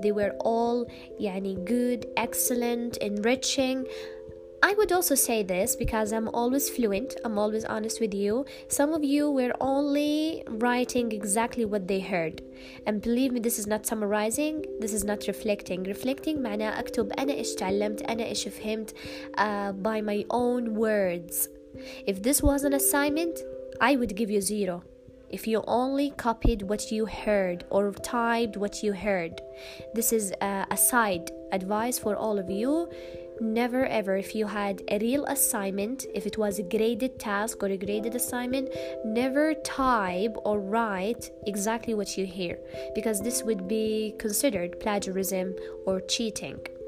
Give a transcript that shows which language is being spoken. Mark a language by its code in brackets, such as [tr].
[en] They were all good, excellent, enriching. I would also say this because I'm always fluent, I'm always honest with you. Some of you were only writing exactly what they heard. And believe me, this is not summarizing, this is not reflecting. [ar] Reflecting معنى أكتب أنا إيش تعلمت أنا إيش فهمت [en] by my own words. If this was an assignment, I would give you zero. If you only copied what you heard or typed what you heard. This is a side advice for all of you. Never ever, if you had a real assignment, if it was a graded task or a graded assignment, never type or write exactly what you hear, because this would be considered plagiarism or cheating.